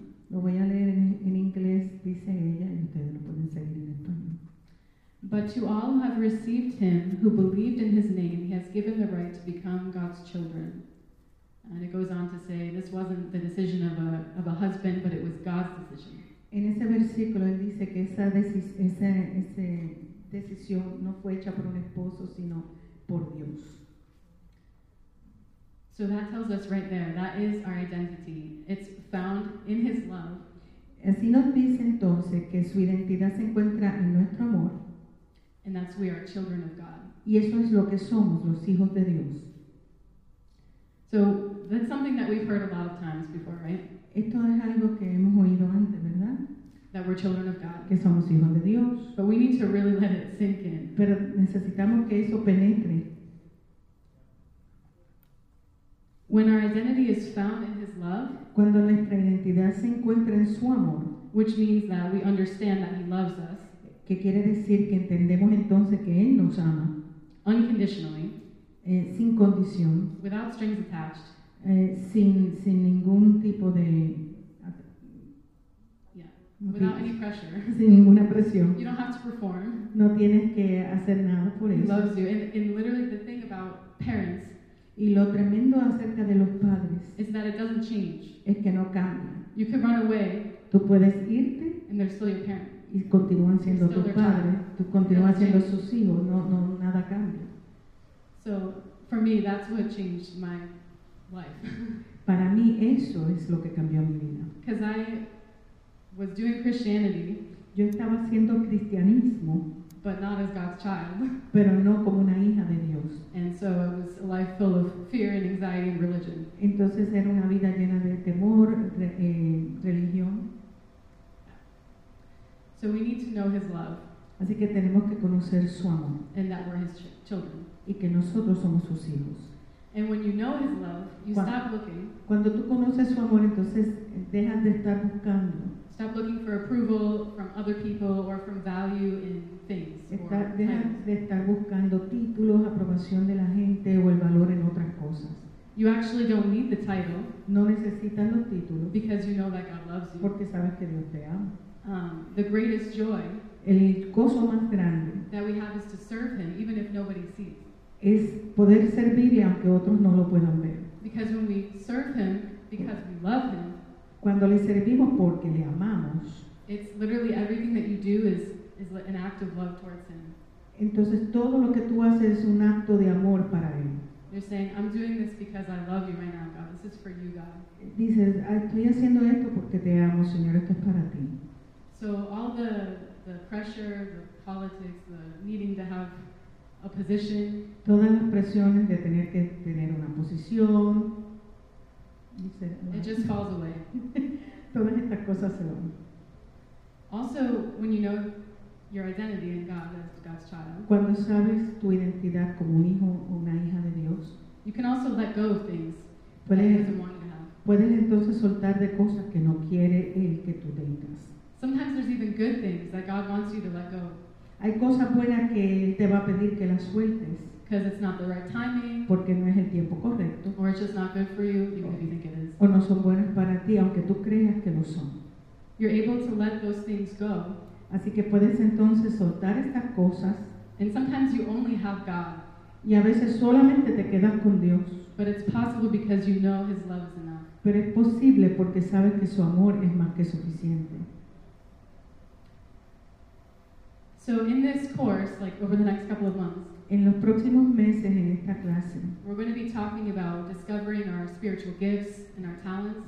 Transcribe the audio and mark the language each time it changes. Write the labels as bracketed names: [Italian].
[Spanish] Lo voy a leer en inglés, dice ella, y ustedes lo pueden seguir en español. [English] But to all who have received him, who believed in his name, he has given the right to become God's children. And it goes on to say, this wasn't the decision of a husband, but it was God's decision. [Spanish] En ese versículo, él dice que esa decisión no fue hecha por un esposo, sino por Dios. [English] So that tells us right there, that is our identity. It's found in his love. [Spanish] Así nos dice entonces que su identidad se encuentra en nuestro amor. [English] And that's that's we are children of God. [Spanish] Y eso es lo que somos, los hijos de Dios. [English] So that's something that we've heard a lot of times before, right? [Spanish] Esto es algo que hemos oído antes, ¿verdad? [English] That we're children of God. [Spanish] Que somos hijos de Dios. [English] But we need to really let it sink in. [Spanish] Pero necesitamos que eso penetre. [English] When our identity is found in His love, [Spanish] cuando nuestra identidad se encuentra en su amor, [English] which means that we understand that He loves us, [Spanish] que quiere decir que entendemos entonces que Él nos ama, [English] unconditionally, [Spanish] sin condición, [English] without strings attached, [Spanish] sin ningún tipo de, [English] without any pressure, [Spanish] sin ninguna presión, [English] you don't have to perform, [Spanish] no tienes que hacer nada por eso. [English] He loves you, and literally the thing about parents. [Spanish] Y lo tremendo acerca de los padres [English] is that it doesn't change. [Spanish] Es que no cambia. [English] You can run away. [Spanish] Tú puedes irte. [English] And they're still your parent. [Spanish] Y continúan siendo tus padres. Tú continúas siendo sus hijos. No, nada cambia. [English] So for me, that's what changed my life. [Spanish] Para mí eso es lo que cambió mi vida. [English] Because I was doing Christianity. [Spanish] Yo estaba haciendo cristianismo. [English] But not as God's child. [Spanish] Pero no como una hija de Dios. [English] And so it was a life full of fear and anxiety and religion. [Spanish] Entonces era una vida llena de temor, religión. [English] So we need to know His love. [Spanish] Así que tenemos que conocer su amor. [English] And that we're His children. [Spanish] Y que nosotros somos sus hijos. [English] And when you know His love, you stop looking. [Spanish] Cuando tú conoces su amor, entonces dejas de estar buscando. [English] Stop looking for approval from other people or from value in things. [Spanish] Deja de estar buscando títulos, aprobación de la gente o el valor en otras cosas. [English] You actually don't need the title. [Spanish] No necesitas los títulos. [English] Because you know that God loves you. [Spanish] Porque sabes que Dios te ama. [English] The greatest joy. [Spanish] El gozo más grande. [English] That we have is to serve Him, even if nobody sees. [Spanish] Es poder servirle aunque otros no lo puedan ver. [English] Because when we serve Him, because we love Him. [Spanish] Cuando le servimos porque le amamos. [English] It's literally everything that you do is an act of love towards Him. [Spanish] Entonces todo lo que tú haces es un acto de amor para Él. [English] You're saying, I'm doing this because I love you right now, God. This is for you, God. [Spanish] Dices, estoy haciendo esto porque te amo, Señor. Esto es para ti. [English] So all the pressure, the politics, the needing to have a position. [Spanish] Todas las presiones de tener que tener una posición. [English] It just falls away. [Spanish] Todas estas cosas se van. [English] Also, when you know your identity in God as God's child, [Spanish] cuando sabes tu identidad como un hijo o una hija de Dios, [English] you can also let go of things that He doesn't want you to have. [Spanish] Puedes entonces soltar de cosas que no quiere Él que tú tengas. [English] Sometimes there's even good things that God wants you to let go. [Spanish] Hay cosas buenas que Él te va a pedir que las sueltes. [English] Because it's not the right timing. [Spanish] Porque no es el tiempo correcto. [English] Or it's just not good for you, even if you think it is. [Spanish] O no son buenas para ti, aunque tú creas que lo son. [English] You're able to let those things go. [Spanish] Así que puedes entonces soltar estas cosas. [English] And sometimes you only have God. [Spanish] Y a veces solamente te quedas con Dios. [English] But it's possible because you know His love is enough. [Spanish] Pero es posible porque sabes que su amor es más que suficiente. [English] So in this course, like over the next couple of months, [Spanish] en los próximos meses en esta clase, [English] we're going to be talking about discovering our spiritual gifts and our talents.